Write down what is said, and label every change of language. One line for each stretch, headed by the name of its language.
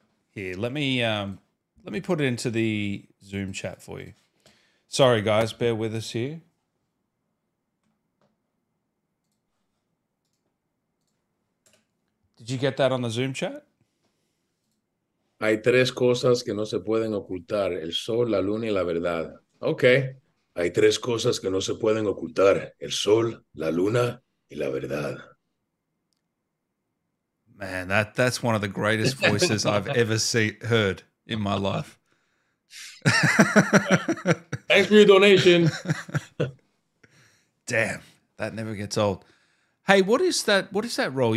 English: Here, let me put it into the Zoom chat for you. Sorry, guys, bear with us here. Did you get that on the Zoom chat?
Spanish: Hay tres cosas que no se pueden ocultar. El sol, la luna y la verdad. Okay. Hay tres cosas que no se pueden ocultar. El sol, la luna y la verdad.
English: Man, that's one of the greatest voices I've ever heard in my life. Thanks for your donation. Damn, that never gets old. Hey, what is that? What is that role?